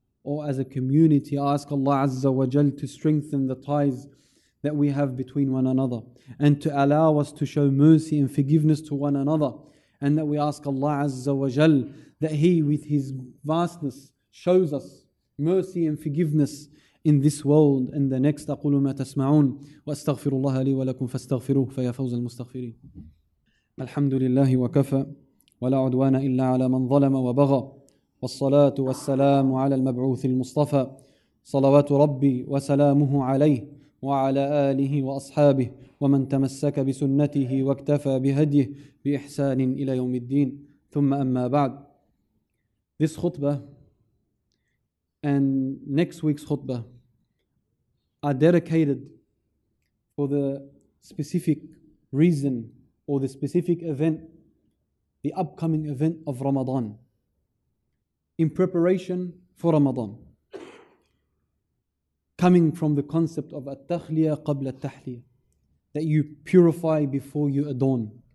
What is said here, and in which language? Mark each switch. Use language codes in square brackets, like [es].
[en] or as a community, ask Allah Azza wa Jal to strengthen the ties that we have between one another, and to allow us to show mercy and forgiveness to one another, and that we ask Allah Azza wa Jal that He, with His vastness, shows us mercy and forgiveness in this world and the next. [ar] أقول ما تسمعون وأستغفر الله لي ولكم فاستغفروه فيا فوز المستغفرين. الحمد لله وكفى ولا عدوان إلا على من ظلم وبغى والصلاة والسلام على المبعوث المصطفى صلوات ربي وسلامه عليه وعلى آله وأصحابه ومن تمسك بسنته واكتفى بهديه بإحسان إلى يوم الدين. ثم أما بعد, [en] this khutbah and next week's khutbah are dedicated for the specific reason or the specific event, the upcoming event of Ramadan, in preparation for Ramadan, coming from the concept of [ar] at-takhliya qabla at-tahliya, [en] that you purify before you adorn.